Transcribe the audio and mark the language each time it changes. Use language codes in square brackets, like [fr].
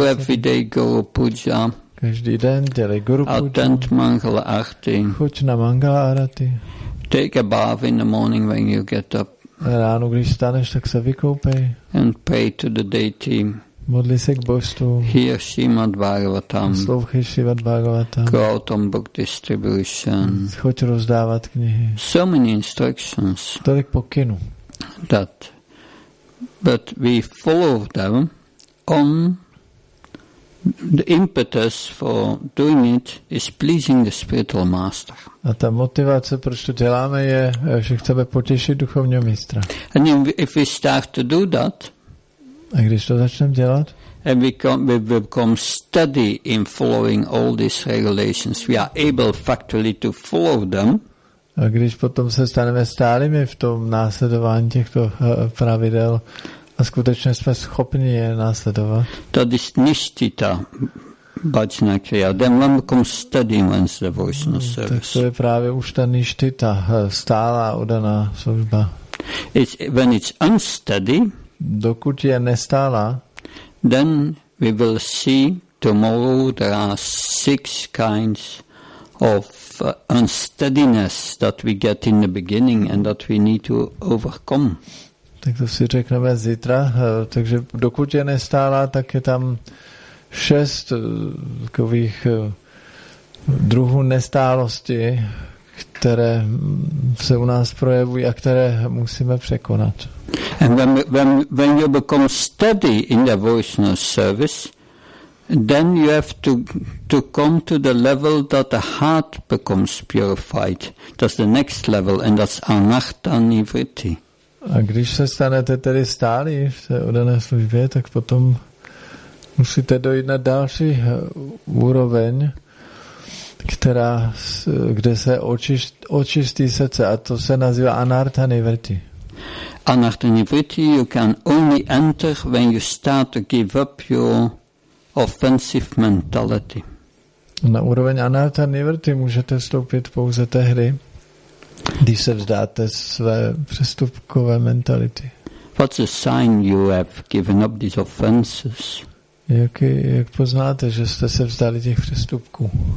[en] Do every day guru puja. [cs] Každý den dělej guru puja. [en] Attend mangala arati. [cs] Chuť na mangala arati. [en] Take a bath in the morning when you get up. [cs] Ráno, když staneš, tak se vykoupej. [en] And pray to the deity. [cs] Modli se k božstvu. [en] Hear Srimad Bhagavatam. [cs] Slouchej Srimad Bhagavatam. [en] Go out on book distribution. [cs] Choď rozdávat knihy. [en] So many instructions. [cs] Tolik pokynů. [en] That. But we follow them on the impetus for doing it is pleasing the spiritual master. [cs] A ta motivace, proč to děláme, je, že chceme potěšit duchovního mistra. [en] And if we start to do that, [cs] a když to začneme dělat? [en] And we become steady in following all these regulations. We are able factually to follow them. [cs] A když potom se staneme stálými v tom následování těchto pravidel a skutečně jsme schopni je následovat. To je nishtita [en] bhajna kriya, then one becomes steady in one's devotional service. [cs] To je právě už ta nishtita, stálá oddaná služba. [en] It's, when it's unsteady, [cs] dokud je nestálá, [en] then we will see tomorrow there are six kinds of unsteadiness that we get in the beginning and that we need to overcome. [cs] Tak to si řekneme zítra, takže dokud je nestálá, tak je tam šest takových druhů nestálosti, které se u nás projevují a které musíme překonat. [en] And when you become steady in the devotional service, then you have to come to the level that the heart becomes purified. That's the next level, and that's anatta nivritti. [cs] A když se stanete tedy stálí v té oddané službě, tak potom musíte dojít na další úroveň, která, kde se očistí srdce, a to se nazývá anatta nivritti. [en] Anatta nivritti you can only enter when you start to give up your offensive mentality. [cs] Na úroveň anatta nivritti můžete vstoupit pouze tehdy, když se vzdáte své přestupkové mentality. [en] What's a sign you have given up these offenses? [cs] Jak poznáte, že jste se vzdali těch přestupků?